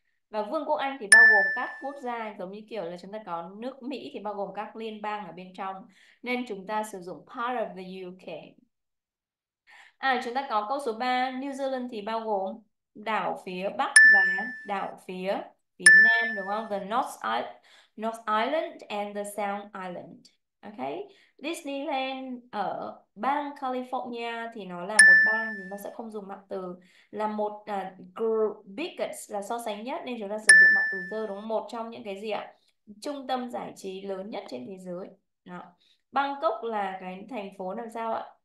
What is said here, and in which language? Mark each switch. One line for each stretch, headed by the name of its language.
Vietnamese: Và Vương quốc Anh thì bao gồm các quốc gia giống như kiểu là chúng ta có nước Mỹ thì bao gồm các liên bang ở bên trong. Nên chúng ta sử dụng
English: part of the UK.
Vietnamese: À, chúng ta có câu số 3, New Zealand thì bao gồm đảo phía Bắc và đảo phía phía Nam, đúng không?
English: The North Island and the South Island. Okay.
Vietnamese: Disneyland ở bang California thì nó là một bang, chúng ta sẽ không dùng mạng từ, là một biggest là so sánh nhất nên chúng ta sử dụng mạng từ the, đúng không? Một trong những cái gì ạ? Trung tâm giải trí lớn nhất trên thế giới. Đó. Bangkok là cái thành phố làm sao ạ?